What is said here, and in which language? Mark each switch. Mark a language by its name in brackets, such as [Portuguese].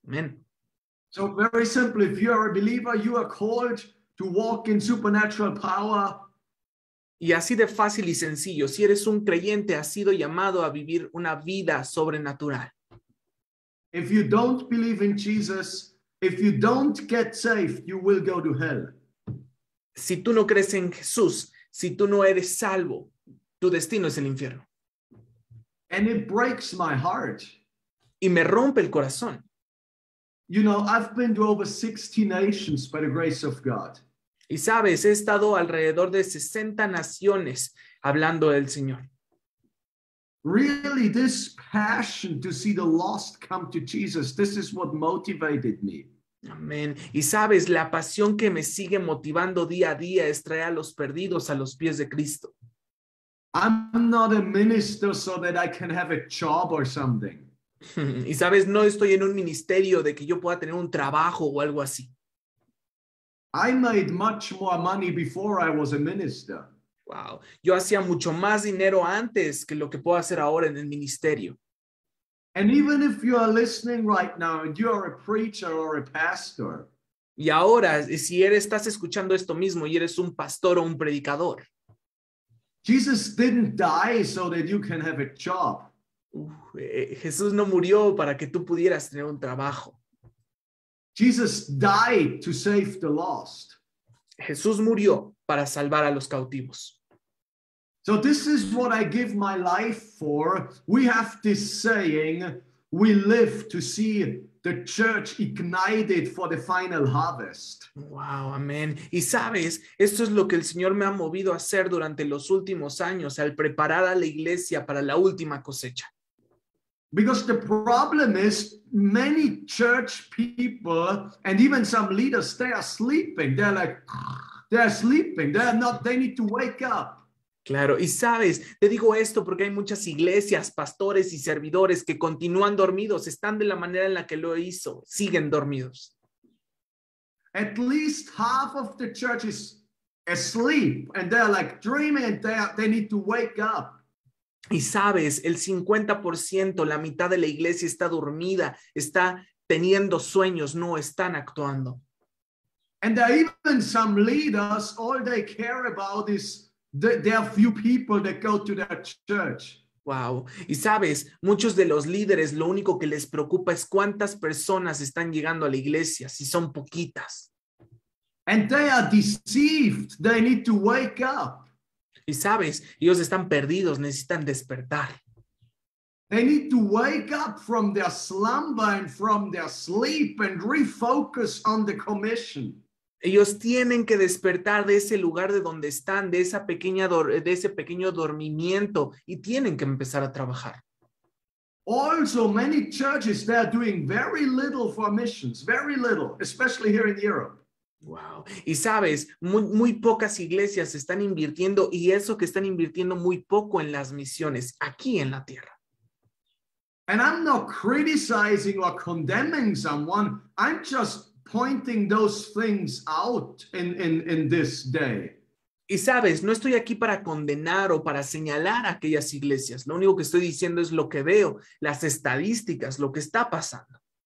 [English] Amen. So very simple, if you are a believer, you are called to walk in supernatural power. [Spanish] Y así de fácil y sencillo, si eres un creyente, has sido llamado a vivir una vida sobrenatural. [English] If you don't believe in Jesus, if you don't get saved, you will go to hell. [Spanish] Si tú no crees en Jesús, si tú no eres salvo, tu destino es el infierno. [English] And it breaks my heart. [Spanish] Y me rompe el corazón. [English] You know, I've been to over 60 nations by the grace of God. [Spanish] Y sabes, he estado alrededor de 60 naciones hablando del Señor. [English] Really, this passion to see the lost come to Jesus, this is what motivated me. [Spanish] Amén. Y sabes, la pasión que me sigue motivando día a día es traer a los perdidos a los pies de Cristo. [English] I'm not a minister so that I can have a job or something. [Spanish] Y sabes, no estoy en un ministerio de que yo pueda tener un trabajo o algo así. [English] I made much more money before I was a minister. Wow. [Spanish] Yo hacía mucho más dinero antes que lo que puedo hacer ahora en el ministerio. [English] And even if you are listening right now and you are a preacher or a pastor. [Spanish] Y ahora, si eres, estás escuchando esto mismo y eres un pastor o un predicador. [English] Jesus didn't die so that you can have a job. [Spanish] Jesús no murió para que tú pudieras tener un trabajo. [English] Jesus died to save the lost. [Spanish] Jesús murió para salvar a los cautivos. [English] So this is what I give my life for. We have this saying, we live to see the church ignited for the final harvest. [Spanish] Wow, amén. Y sabes, esto es lo que el Señor me ha movido a hacer durante los últimos años, al preparar a la iglesia para la última cosecha. [English] Because the problem is many church people and even some leaders, they are sleeping. They're like, they're sleeping. They're not, they need to wake up. [Spanish] Claro, y sabes, te digo esto porque hay muchas iglesias, pastores y servidores que continúan dormidos, están de la manera en la que lo hizo, siguen dormidos. [English] At least half of the church is asleep and they're like dreaming, they need to wake up. [Spanish] Y sabes, el 50%, la mitad de la iglesia está dormida, está teniendo sueños, no están actuando. [English] And there are even some leaders, all they care about is there are few people that go to their church. Wow. [Spanish] Y sabes, muchos de los líderes, lo único que les preocupa es cuántas personas están llegando a la iglesia, si son poquitas. [English] And they are deceived. They need to wake up. [Spanish] Y sabes, ellos están perdidos, necesitan despertar. [English] They need to wake up from their slumber and from their sleep and refocus on the commission. [Spanish] Ellos tienen que despertar de ese lugar de donde están, de esa pequeña de ese pequeño dormimiento, y tienen que empezar a trabajar. [English] Also, many churches, they are doing very little for missions, very little, especially here in Europe. Wow. [Spanish] Y sabes, muy pocas iglesias están invirtiendo, y eso que están invirtiendo muy poco en las misiones aquí en la tierra. [English] And I'm not criticizing or condemning someone. I'm just pointing those things out in this day. [Spanish] Y sabes, no estoy aquí para condenar o para señalar aquellas iglesias. Lo único que estoy diciendo es lo que veo, las estadísticas, lo que está pasando.